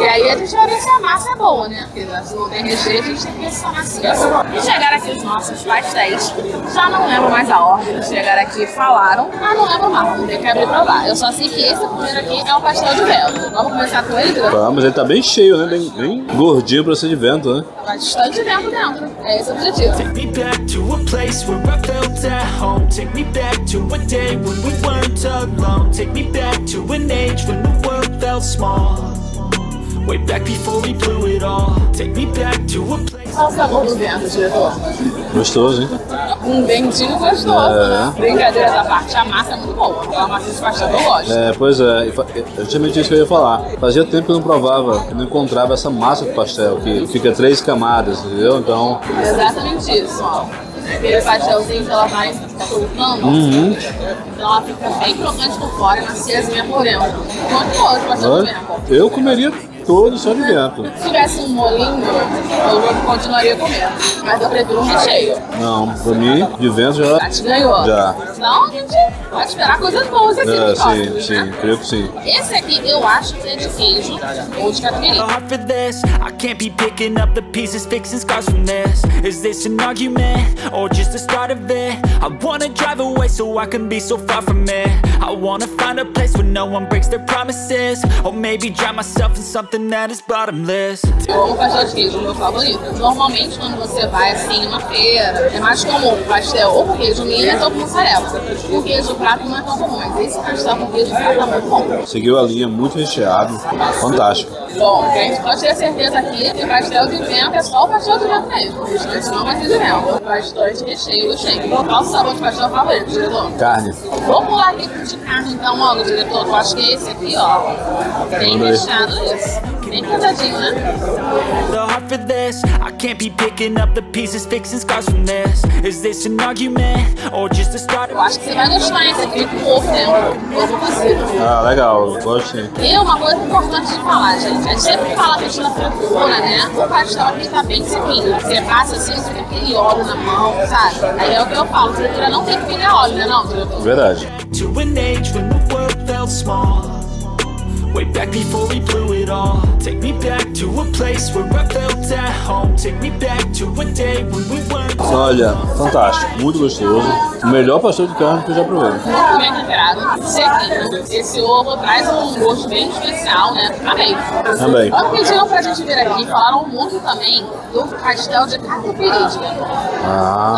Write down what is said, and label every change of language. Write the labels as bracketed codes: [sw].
[pt] E aí a gente vai ver se a massa é boa, né? Porque se não tem recheio, a gente tem que pensar na ciência. E chegaram aqui os nossos pastéis. Já não lembro mais a ordem, chegaram aqui e falaram, mas não lembro mais, vamos ter que abrir e provar. Eu só sei que esse primeiro aqui é o pastel de vento. Vamos começar com ele, né? Vamos, ele tá bem cheio, né? Bem, bem gordinho pra ser de vento, né? Bastante vento dentro, é esse o objetivo. [en] Take me back to a place where I felt at home. Take me back to a day when we weren't alone. Take me back to an age when the world felt small. Way back before we blew it all. Take me back to a place. Qual [pt] o sabor do vento, diretor? Gostoso, hein? Um ventinho gostoso, né? Brincadeira da parte, a massa é muito boa. A massa de pastel eu gosto. É, pois é. Justamente isso que eu ia falar. Fazia tempo que eu não provava, que não encontrava essa massa do pastel, que fica três camadas, entendeu? Então... É exatamente isso, ó. Aquele pastelzinho que ela vai ficar soltando. Então ela fica bem crocante por fora, maciazinha por dentro. Quanto outro pastel de vento? Eu comeria... todo só de vento. Se tivesse um molinho, eu continuaria comendo. Mas eu prefiro um recheio. Não, pra mim, de vento já... Já te ganhou. Já. Senão a gente pode esperar coisas boas aqui. É, sim, né? Sim, creio que sim. Esse aqui eu acho que é de queijo ou de catupiry. [en] I'm hard for this. I can't be picking up the pieces, fixing scars from this. Is this an argument or just the start of it? I wanna drive away so I can be so far from it. I wanna find a place where no one breaks their promises. Or maybe drown myself in something that is bottomless. [pt] Bom, cachorro de queijo, meu favorito. Normalmente quando você vai assim numa feira, é mais comum o pastel ou com queijo minas ou com mussarela. O queijo prato não é tão comum, mas esse pastel com queijo prato tá muito bom. Seguiu a linha, muito recheado, fantástico. Bom, a gente pode ter certeza aqui que o pastel de vento é só o pastel de vento mesmo. O pastel de vento é mais de vento. O pastel de recheio, cheio. Qual o sabor de pastel favorito, diretor? Carne. Vamos pular aqui pro de carne então logo, diretor. Eu acho que é esse aqui, ó. Bem fechado isso. [en] The heart for this, I can't be picking up the pieces, fixing scars from this. Is this an argument or just a start? [pt] Eu acho que você vai gostar desse aqui com ovo dentro. Ovo cozido. Ah, legal, gostei. E uma coisa importante de falar, gente. A gente sempre fala que a gente não fritura, né? O pastel aqui tá bem sequinho. Você passa assim, você fica aquele óleo na mão, sabe? Aí é o que eu falo, fritura não tem que pegar óleo, né? Não, fritura. Verdade. [en] To an age when the world felt small. Way back before we blew it all. Take me back to a place where I felt at home. Take me back to a day when we weren't. [pt] Olha, fantástico, muito gostoso. O melhor pastel de carne que eu já provei. Muito bem temperado. Esse ovo traz um gosto bem especial, né? Amei. Amei. Quando pediram pra gente vir aqui, falaram muito também do pastel de catupiry. Ah,